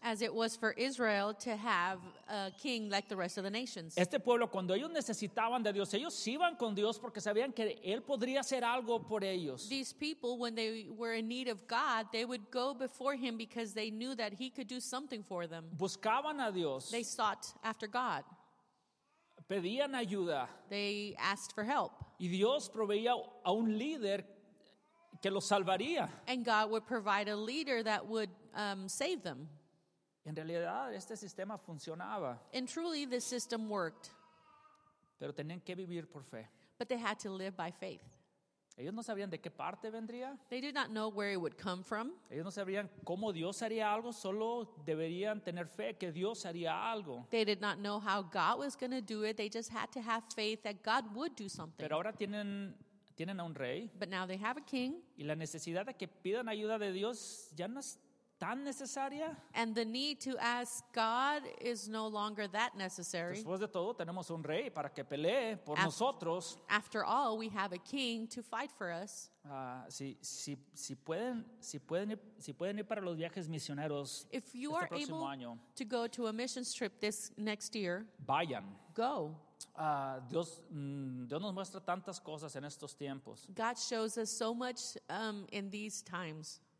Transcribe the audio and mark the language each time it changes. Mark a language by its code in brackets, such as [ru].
[en] As it was for Israel to have a king like the rest of the nations. [es] Este pueblo, cuando ellos necesitaban de Dios, ellos iban con Dios porque sabían que él podría hacer algo por ellos. [en] These people, when they were in need of God, they would go before him because they knew that he could do something for them. [es] Buscaban a Dios. [en] They sought after God. [es] Pedían ayuda. [en] They asked for help. [es] Y Dios proveía a un líder que los salvaría. [en] And God would provide a leader that would save them. [es] En realidad, este sistema funcionaba. [en] And truly, the system worked. [es] Pero tenían que vivir por fe. [en] But they had to live by faith. [es] Ellos no sabían de qué parte vendría. [en] They did not know where it would come from. [es] Ellos no sabían cómo Dios haría algo, solo deberían tener fe que Dios haría algo. [en] They did not know how God was going to do it. They just had to have faith that God would do something. [es] Pero ahora tienen a un rey. [en] But now they have a king. [es] Y la necesidad de que pidan ayuda de Dios ya no es tan necesaria. [en] And the need to ask God is no longer that necessary. [es] Después de todo, tenemos un rey para que pelee por nosotros. [en] After all, we have a king to fight for us. [es] Si pueden ir para los viajes misioneros este próximo año. [en] If you are able to go to a missions trip this next year, [es] vayan. [en] Go. [es] Dios nos muestra tantas cosas en estos tiempos. [en] God shows us so much in these times.